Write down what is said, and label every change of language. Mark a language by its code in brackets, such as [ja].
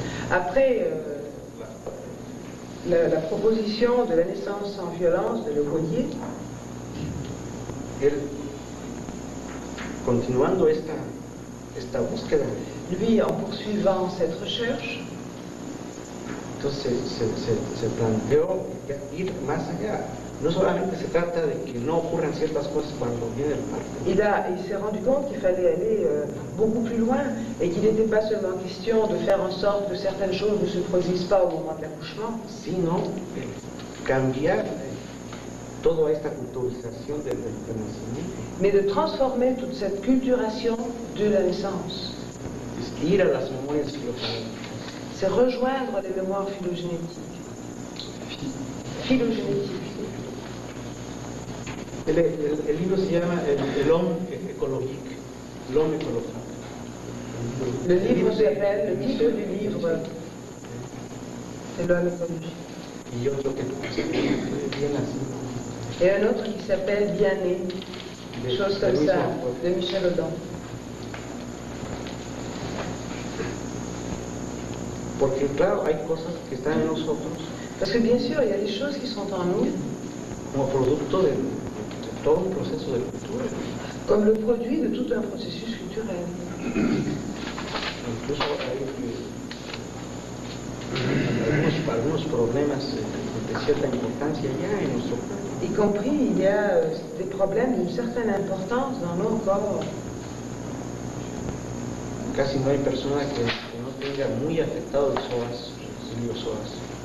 [fr] Après la proposition de la naissance sans violence de Le Boyer, [es] elle, continuando esta búsqueda, [fr] lui en poursuivant cette recherche, [es] se planteó ir más allá. No solamente se trata de que no ocurran ciertas cosas cuando viene el parto. [fr] Il s'est rendu compte qu'il fallait aller beaucoup plus loin et qu'il n'était pas seulement question de faire en sorte que certaines choses ne se produisent pas au moment de l'accouchement. [es] Sinon, cambiar toda esta culturización del nacimiento. [fr] Mais de transformer toute cette culturation de la naissance. [es] Ir a las memorias filogénétiques. [fr] C'est rejoindre les mémoires phylogénétiques. Phylogénétiques. [es] El libro se llama El Hombre Ecológico. El Hombre Ecológico. El libro se llama El Hombre Ecológico. Y otro que bien así. Y un otro que se llama Bien-né. [fr] Chose comme ça. De Michel Audin. [es] Porque, claro, hay cosas que están en nosotros. Porque, [fr] bien sûr, [es] hay [fr] des choses [es] que están en nosotros. Como producto del. Todo un proceso de cultura. [fr] Comme le produit de tout un processus culturel. [es] Incluso hay algunos problemas de cierta importancia ya en nuestro cuerpo. [fr] Y compris, il y a des problèmes d'une certaine importance dans nos corps. [es] Casi no hay persona que no tenga muy afectado el psoas, el psoas.